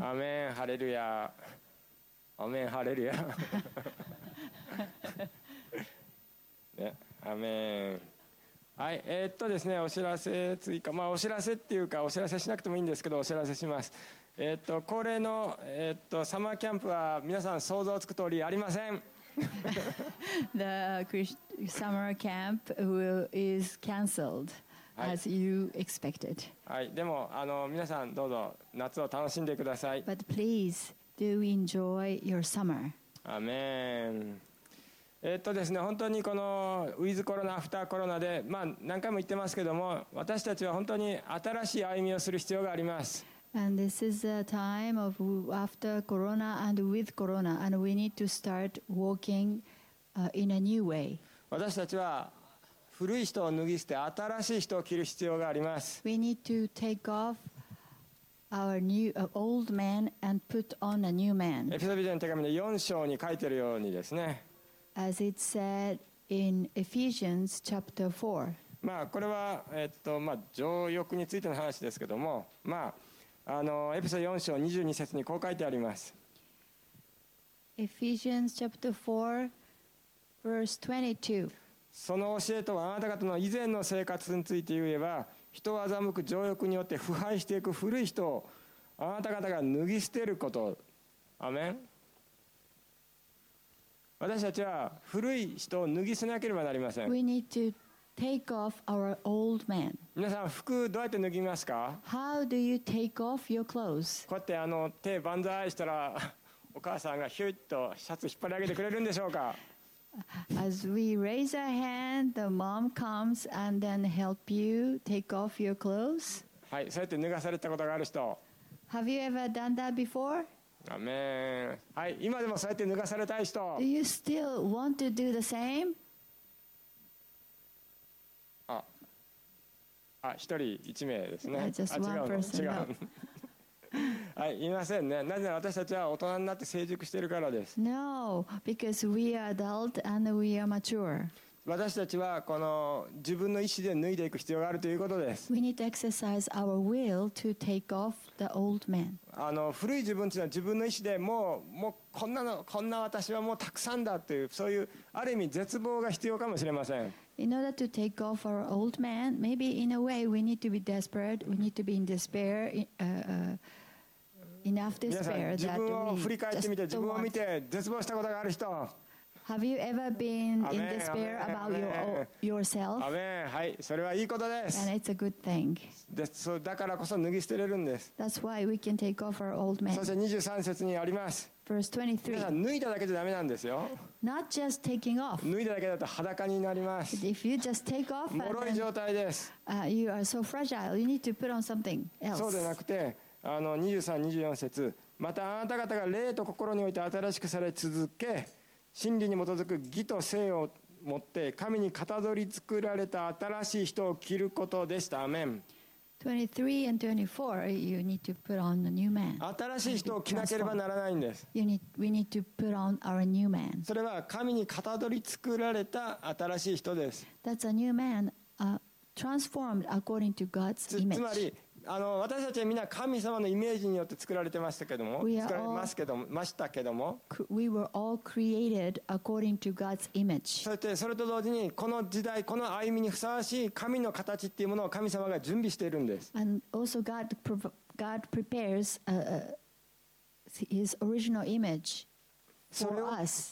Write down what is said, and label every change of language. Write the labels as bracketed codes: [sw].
[ja] アメンハレルヤ、アメンハレルヤ、ね、アメン。はい、ですね、お知らせ追加、まあ、お知らせっていうかお知らせしなくてもいいんですけど、お知らせします。恒例の、サマーキャンプは皆さん想像つく通りありません [en] The summer camp is cancelled as you expected. [ja] はい、でも皆さんどうぞ夏を楽しんでください。 [en] But please do enjoy your summer. [ja] アメン。ですね、本当にこのウィズコロナ、アフターコロナで、まあ、何回も言ってますけども、私たちは本当に新しい歩みをする必要があります。 [en] And this is a time of after Corona and with Corona, and we need to start walking in a new way. [ja] 私たちは古い人を脱ぎ捨て、新しい人を着る必要があります。 [en] We need to take off our new old man and put on a new man. [ja] エペソ人への手紙の4章に書いてるようにですね。 [en] As it said in Ephesians chapter 4. [ja] まあこれは情欲についての話ですけども、まあ。エペソ4章22節にこう書いてあります。 [en] Ephesians chapter 4 verse 22。 [ja] その教えとはあなた方の以前の生活について言えば、人を欺く情欲によって腐敗していく古い人をあなた方が脱ぎ捨てること。アメン。私たちは古い人を脱ぎ捨てなければなりません。 [en] We need toTake off our old man. [ja] 皆さん服どうやって脱ぎますか？ [en] How do you take off your clothes? [ja] こうやって手バンザイしたら、お母さんがヒュッとシャツ引っ張り上げてくれるんでしょうか？ [en] As we raise our hand, the mom comes and then help you take off your clothes. [ja] はい、そうやって脱がされたことがある人。 [en] Have you ever done that before? [ja] アメン。 [en] はい、今でもそうやって脱がされたい人。 [ja] Do you still want to do the same? [en] あ、1人1名ですね。 Yeah, just one person. [ja] 違う。はい、いませんね。なぜなら私たちは大人になって成熟しているからです。 [en] No, because we are adult and we are mature. [ja] 私たちはこの自分の意思で脱いでいく必要があるということです。 [en] We need to exercise our will to take off the old man. [ja] 古い自分というのは自分の意思でもうこんな私はもうたくさんだという、そういうある意味絶望が必要かもしれません。 [en] In order to take off our old man, maybe in a way we need to be desperate, we need to be in despair, enough despair that we just don't want. Have you ever been in despair about yourself? Amen. [ja] はい、それはいいことです。 [en] And it's a good thing. [ja] だからこそ脱ぎ捨てれるんです。 [en] That's why we can take off our old man. [ja] そして23節にあります。 [en] Verse 23. [ja] 脱いだだけじゃダメなんですよ。 [en] Not just taking off. [ja] 脱いだだけだと裸になります。 [en] If you just take off, [ja] 脆い状態です。 [en] You are so fragile. You need to put on something else. [ja] そうでなくて、23、24節。またあなた方が霊と心において新しくされ続け、真理に基づく義と正を持って神にかたどり作られた新しい人を着ることでした。アメン。 [en] 23 and 24, you need to put on a new man. [ja] 新しい人を着なければならないんです。 [en] We need to put on our new man. [ja] それは神にかたどり作られた新しい人です。 [en] That's a new man, transformed according to God's image. [ja] つまり私たちはみんな神様のイメージによって作られてましたけども、 [en] We were all created according to God's image. [ja] それと同時にこの時代この歩みにふさわしい神の形っていうものを神様が準備しているんです。 [en] And also God prepares His original image for us.